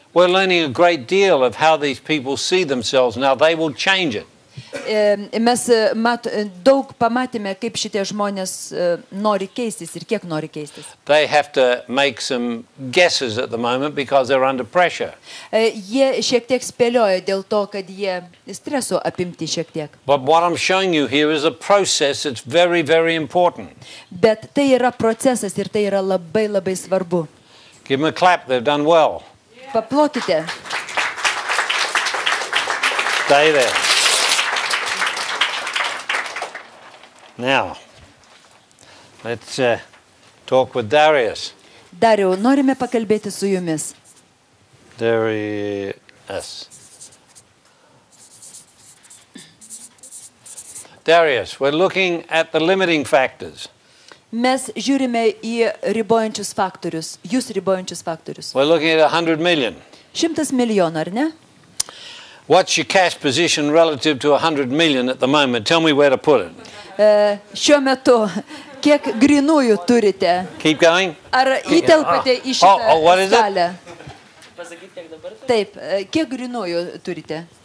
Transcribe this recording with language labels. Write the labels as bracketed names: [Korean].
[English] We're learning a great deal of how these people see themselves. Now they will change it. [Lithuanian] Mes daug pamatėme, kaip šitie žmonės nori keistis ir kiek nori keistis. [English] They have to make some guesses at the moment because they're under pressure. [Lithuanian] Jie šiek tiek spėlioja dėl to, kad jie streso apimti šiek tiek. [English] But what I'm showing you here is a process that's very, very important. [Lithuanian] Bet tai yra procesas ir tai yra labai, labai svarbu. [English] Give them a clap, they've done well. [Lithuanian] Paplokite. [English] Stay there. Now, let's talk with Darius. [Lithuanian] Dariau, norime pakalbėti su jumis. [English] Darius. Darius, we're looking at the limiting factors. [Lithuanian] Mes žiūrime į ribojančius faktorius, jūs ribojančius faktorius. [English] We're looking at 100 million. [Lithuanian] 100 milijonų, ar ne? [English] What's your cash position relative to 100 million at the moment? Tell me where to put it. [Lithuanian] Šiuo metu, kiek grinųjų turite? [English] Keep going. [Lithuanian] Ar įtelpate į šitą salę? [English] Oh, what is [Lithuanian] salę? [English] It? [Lithuanian] Taip, kiek grinųjų turite?